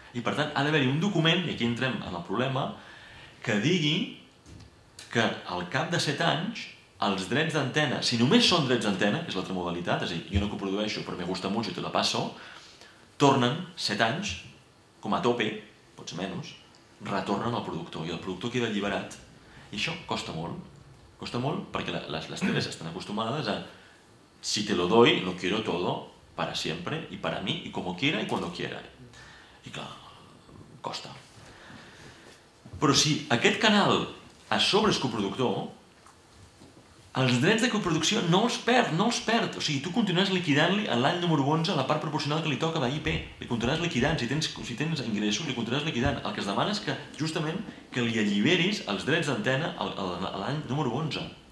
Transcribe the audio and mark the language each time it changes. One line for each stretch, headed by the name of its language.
Catalan: I per tant, ha d'haver-hi un document, i aquí entrem en el problema, que digui que al cap de 7 anys, els drets d'antena, si només són drets d'antena, que és l'altra modalitat, és a dir, jo no coprodueixo, però
Spanish: me gusta mucho y te la paso,
Catalan: tornen 7 anys, com a tope, potser menys, retornen al productor, i el productor queda alliberat. I això costa molt. Costa molt perquè les teles estan acostumades a
Spanish: si te lo doy, lo quiero todo, para siempre, y para mí, y como quiera, y cuando quiera.
Catalan: I clar, costa. Però si aquest canal a sobre és coproductor, els drets de coproducció no els perd, no els perd. O sigui, tu continuaràs liquidant-li en l'any número 11 la part proporcional que li toca a IP. Li continuaràs liquidant, si tens ingressos, li continuaràs liquidant. El que es demana és que, justament, que li alliberis els drets d'antena a l'any número 11.